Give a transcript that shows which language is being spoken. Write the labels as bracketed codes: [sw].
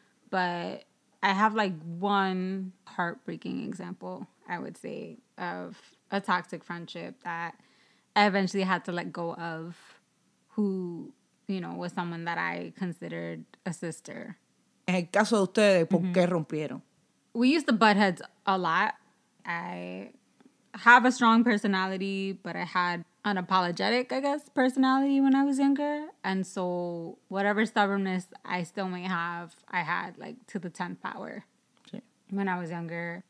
[en] But I have like one heartbreaking example, I would say, of a toxic friendship that I eventually had to let go of. Who, you know, was someone that I considered a sister. [es] En el caso de ustedes, ¿por qué rompieron? [en] We used to butt heads a lot. I have a strong personality, but I had an apologetic, I guess, personality when I was younger. And so whatever stubbornness I still may have, I had, like, to the 10th power when I was younger.